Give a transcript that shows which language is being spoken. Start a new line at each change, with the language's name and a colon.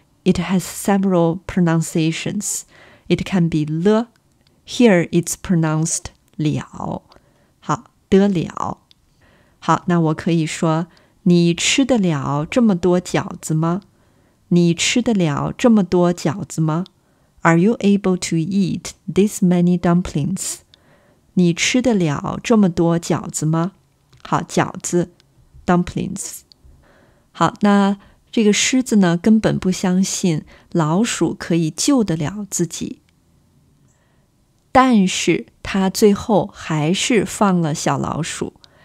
English: It has several pronunciations. It can be 了. Here it's pronounced 了.
Chinese: 好，得了。好，那我可以说，你吃得了这么多饺子吗？你吃得了这么多饺子吗？
English: Are you able to eat this many dumplings?
Chinese: 你吃得了这么多饺子吗？好，饺子 ,dumplings。好，那这个狮子呢，根本不相信老鼠可以救得了自己。但是他最后还是放了小老鼠。